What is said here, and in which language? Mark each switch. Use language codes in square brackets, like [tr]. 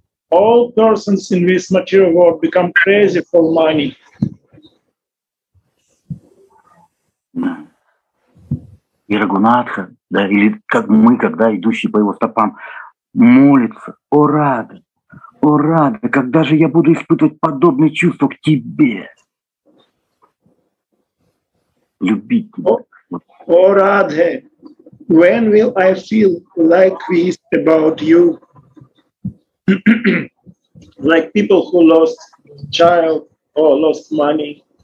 [en] All persons in this material world become crazy for money. [ru] И Рагунатха, да, или как мы, когда идущие по его стопам, молится: «О Рада, о Рада, когда же я буду испытывать подобные чувства к тебе? Любить тебя». [en] О Радхе, when will I feel like this about you? Like people who lost child or lost money.